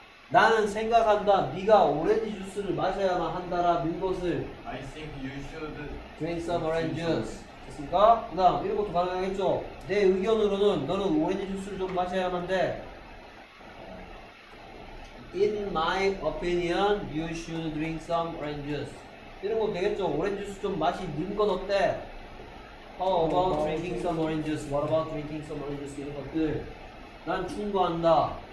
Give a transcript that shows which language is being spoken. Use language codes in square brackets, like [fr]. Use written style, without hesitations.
[ko] 나는 생각한다. 네가 오렌지 주스를 마셔야만 한다라는 것을. [en] I think you should drink some orange juice. [ko] 됐습니까? 나 이런 것도 가능하겠죠. 내 의견으로는 너는 오렌지 주스를 좀 마셔야만 돼. [en] In my opinion, you should drink some orange juice. [ko] 이런 거 되겠죠? 오렌지 주스 좀 맛이 는 건 어때? [en] How about drinking some orange juice? What about drinking some orange juice? [ko] 이런 것들. 난 충고한다.